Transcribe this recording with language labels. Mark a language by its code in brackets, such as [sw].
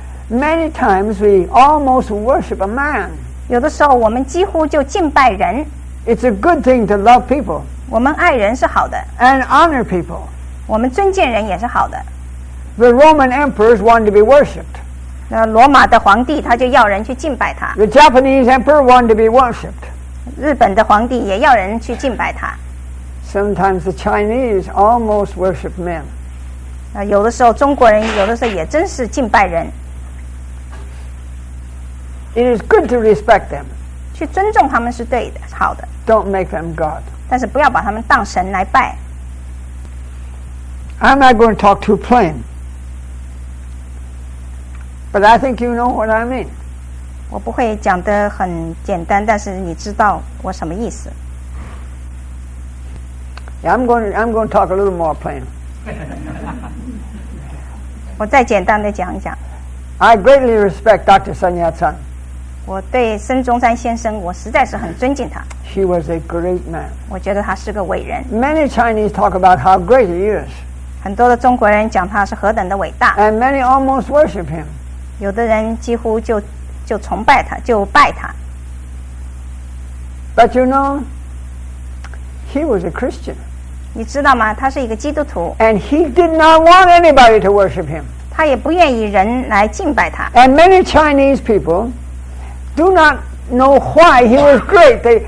[en] Many times we almost worship a man. [zh] 有的时候我们几乎就敬拜人。 [en] It's a good thing to love people. [zh] 我们爱人是好的。 [en] And honor people. [zh] 我们尊敬人也是好的。 [en] The Roman emperors wanted to be worshipped. [zh] 那罗马的皇帝他就要人去敬拜他。 [en] The Japanese emperor wanted to be worshipped. [zh] 日本的皇帝也要人去敬拜他。 [en] Sometimes the Chinese almost worship men. [zh] 那有的时候中国人有的时候也真是敬拜人。 [en] It is good to respect them. [zh] 去尊重他们是对的，好的。 [en] Don't make them God. [zh] 但是不要把他们当神来拜。 [en] I'm not going to talk too plain. But I think you know what I mean. [zh] 我不会讲得很简单，但是你知道我什么意思。 [en] Yeah, I'm going to talk a little more plain. [zh] 我再简单的讲一讲。 [en] I greatly respect Dr. Sun Yat-sen. [zh] 我对孙中山先生，我实在是很尊敬他。 [en] He was a great man. [zh] 我觉得他是个伟人。 [en] Many Chinese talk about how great he is. [zh] 很多的中国人讲他是何等的伟大。 [en] And many almost worship him. [zh] 有的人几乎就崇拜他，就拜他。 [en] But you know, he was a Christian. [zh] 你知道吗？他是一个基督徒。 [en] And he did not want anybody to worship him. [zh] 他也不愿意人来敬拜他。 [en] And many Chinese people do not know why he was great.